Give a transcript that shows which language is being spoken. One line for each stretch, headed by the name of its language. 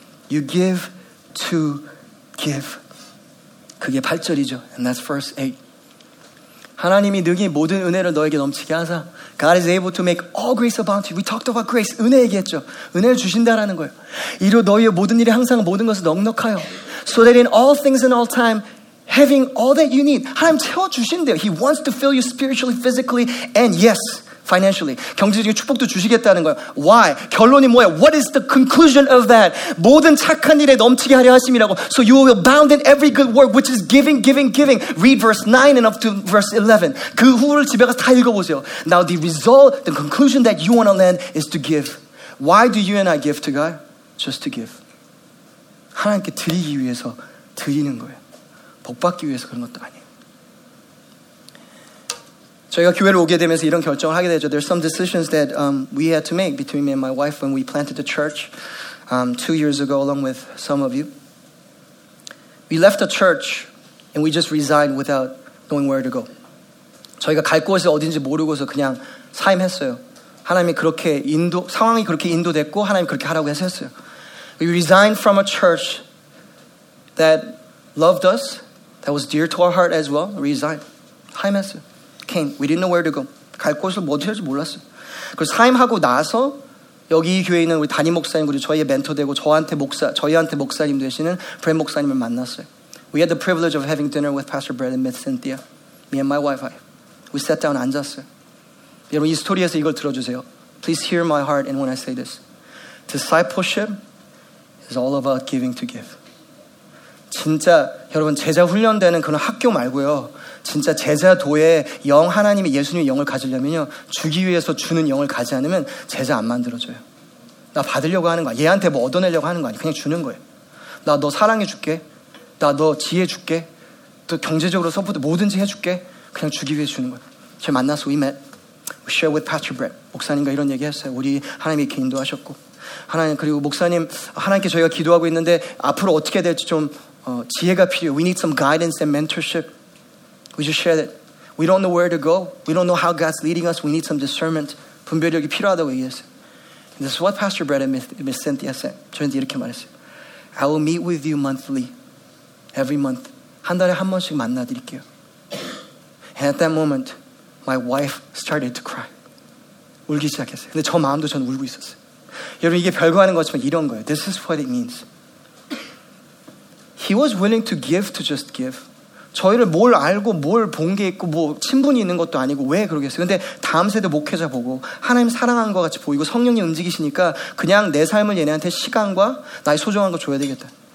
English: You give to give.
Korean: 그게 8절이죠.
English: And that's verse 8.
Korean: 하나님이 능히 모든 은혜를 너에게 넘치게 하사
English: God is able to make all grace abound to you. We talked about grace.
Korean: 은혜 얘기했죠. 은혜를 주신다라는 거예요. 이로 너희의 모든 일이 항상 모든 것을 넉넉하여
English: So that in all things and all time having all that you need
Korean: 하나님 채워주신대요.
English: He wants to fill you spiritually, physically and yes, financially.
Korean: 경제적인 축복도 주시겠다는 거예요.
English: Why?
Korean: 결론이 뭐예요?
English: What is the conclusion of that?
Korean: 모든 착한 일에 넘치게 하려 하심이라고.
English: So you will abound in every good work, which is giving, giving, giving. Read verse 9 and up to verse 11.
Korean: 그 후를 집에 가서 다 읽어보세요.
English: Now the result, the conclusion that you want to land is to give. Why do you and I give to God? Just to give.
Korean: 하나님께 드리기 위해서 드리는 거예요. 복받기 위해서 그런 것도 아니에요. 저희가 교회를 오게 되면서 이런 결정을 하게 되죠.
English: There's some decisions that we had to make between me and my wife when we planted the church two years ago along with some of you. We left the church and we just resigned without knowing where to go.
Korean: 저희가 갈 곳이 어딘지 모르고서 그냥 사임했어요. 하나님이 그렇게 인도, 상황이 그렇게 인도됐고 하나님이 그렇게 하라고 해서 했어요.
English: We resigned from a church that loved us that was dear to our heart as well. Resigned.
Korean: 하임했어.
English: Came. We didn't know where to go.
Korean: 갈 곳을 어디 할지 몰랐어. 그래서 하임하고 나서 여기 이 교회에 있는 우리 담임 목사님 그리고 저희의 멘토 되고 저한테 목사 저희한테 목사님 되시는 프렌 목사님을 만났어요.
English: We had the privilege of having dinner with Pastor Brad and Miss Cynthia. Me and my wife. We sat down
Korean: 앉았어요. 여러분 이 스토리에서 이걸 들어주세요.
English: Please hear my heart and when I say this. Discipleship is all about giving to give.
Korean: 진짜 여러분 제자 훈련되는 그런 학교 말고요. 진짜 제자도에 영 하나님의 예수님의 영을 가지려면요. 주기 위해서 주는 영을 가지 않으면 제자 안 만들어줘요. 나 받으려고 하는 거야. 얘한테 뭐 얻어내려고 하는 거 아니야. 그냥 주는 거예요. 나 너 사랑해 줄게. 나 너 지혜 줄게. 또 경제적으로 서포트 뭐든지 해줄게. 그냥 주기 위해 주는 거야. 제가 만나서
English: we met. We share with Pastor Brett.
Korean: 목사님과 이런 얘기 했어요. 우리 하나님이 이렇게 인도하셨고. 하나님 그리고 목사님 하나님께 저희가 기도하고 있는데 앞으로 어떻게 될지 좀 지혜가 필요해요.
English: We need some guidance and mentorship. We just share that we don't know where to go. We don't know how God's leading us. We need some discernment.
Korean: 분별력이 필요하다고 얘기했어요.
English: This is what Pastor Brett and Miss Cynthia said.
Korean: 저희는 이렇게 말했어요.
English: I will meet with you monthly. Every month.
Korean: 한 달에 한 번씩 만나드릴게요.
English: And at that moment, my wife started to cry.
Korean: 울기 시작했어요. 근데 저 마음도 저는 울고 있었어요. 여러분 이게 별거 아닌 것 같지만 이런 거예요.
English: This is what it means. He was willing to give to just give.
Korean: 저희를 뭘 알고 뭘 본 게 있고 뭐 친분이 있는 것도 아니고 왜 그러겠어요. 근데 다음 세대 목회자 보고 하나님 사랑하는 것 같이 보이고 성령이 움직이시니까 그냥 내 삶을 얘네한테 시간과 나의 소중한 걸 줘야 되겠다.